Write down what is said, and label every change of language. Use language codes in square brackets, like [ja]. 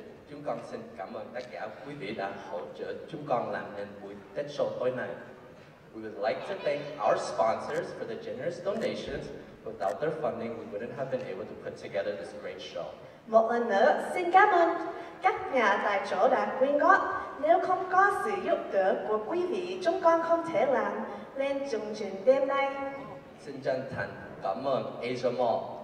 [vi] Chúng con xin cảm ơn tất cả quý vị đã hỗ trợ chúng con làm nên buổi Tết show tối nay. [en] We would like to thank our sponsors for the generous donations. Without their funding, we wouldn't have been able to put together this great show. [vi] Một lần nữa, xin cảm ơn các nhà tài trợ đã quyên góp. Nếu không có sự giúp đỡ của quý vị, chúng con không thể làm nên chương trình đêm nay. Xin chân thành cảm ơn Asia Mall,